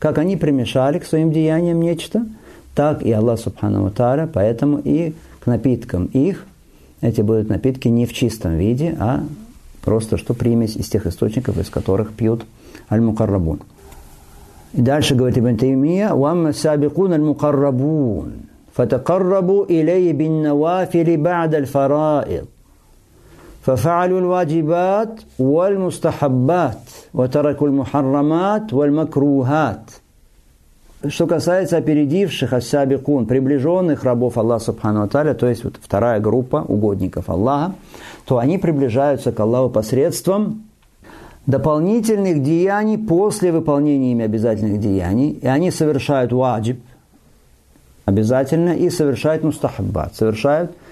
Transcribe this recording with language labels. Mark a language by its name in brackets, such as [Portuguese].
[Russian] Как они примешали к своим деяниям нечто, так и Аллах Субхану ва Тааля, поэтому и к напиткам их, эти будут напитки не в чистом виде, а просто что примесь из тех источников, из которых пьют аль-мукаррабун. И дальше говорит Ибн Таймия, [Arabic] «Вамма сабикун аль-мукаррабун, фатакаррабу илей бин навафили ба'да аль-фараид». ففعلوا الواجبات والمستحبات وتركوا المحرمات والمكروهات. [Russian] Что касается опередивших ас-сабикун, приближенных рабов Аллаха Субхану ва Тааля, то есть вот вторая группа угодников Аллаха, то они приближаются к Аллаху посредством дополнительных деяний после выполнения ими обязательных деяний, и они совершают ваджиб обязательно и совершают мустахаббат, совершают